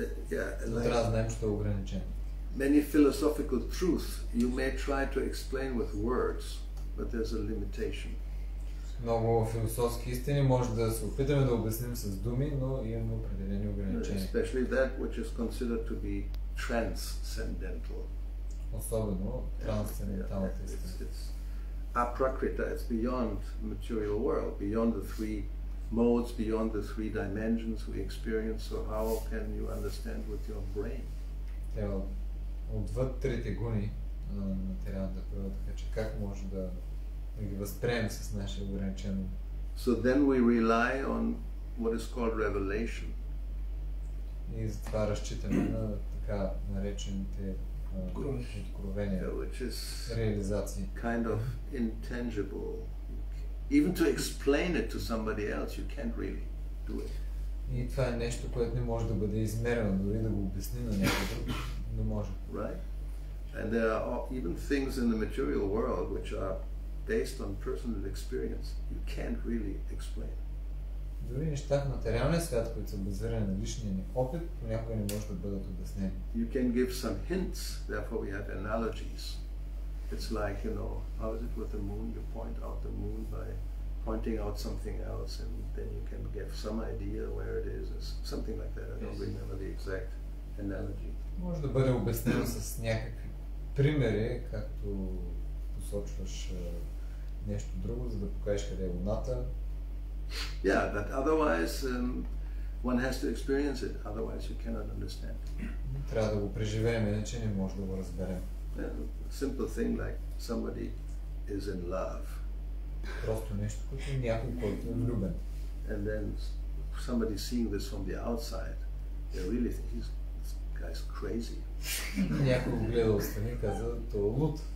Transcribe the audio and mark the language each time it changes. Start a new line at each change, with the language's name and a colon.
Bulgarian: Трябва да знаем, че е ограничено.
English: Many philosophical truths you may try to explain with words, but there's a limitation.
Bulgarian: Много философски истини може да се опитаме да обясним с думи, но имаме определени ограничения.
English: Especially that which is considered to be transcendental.
Bulgarian: Особено трансценденталната истина.
English: It's apakrita, it's beyond material world, beyond the three modes, beyond the three dimensions we experience. So how can you understand with your brain?
Bulgarian: Отвъд трите гуни на материалната природа, така че как може да, ги възприемем с наше ограничено?
English: So then we rely on what is called revelation.
Bulgarian: И затова разчитаме на така наречените откровения,
English: which is
Bulgarian: реализации.
English: Kind of intangible. Even to explain it to somebody else, you can't really do it.
Bulgarian: И това е нещо, което не може да бъде измерено, дори да го обясни на някой друг.
English: Right, and there are even things in the material world which are based on personal experience. You can't really explain.
Bulgarian: Дори неща в материалния свят, които са базирани на личния ни опит, понякога не може да бъдат обяснени.
English: You can give some hints. Therefore, we have analogies. It's like, you know, how is it with the moon? You point out the moon by pointing out something else, and then you can give some idea where it is, or something like that. I don't remember the exact analogy.
Bulgarian: Може да бъде обяснено с някакви примери, както посочваш нещо друго, за да покажеш къде е луната.
English: Yeah, but otherwise one has to experience it, otherwise you cannot understand.
Bulgarian: Трябва да го преживеем, иначе не може да го разберем.
English: Simple thing like somebody is in love.
Bulgarian: Просто нещо, което някой, който е влюбен.
English: And then somebody seeing this from the outside, they really think he's is crazy.
Bulgarian: Някой гледа отстрани и каза, то е луд.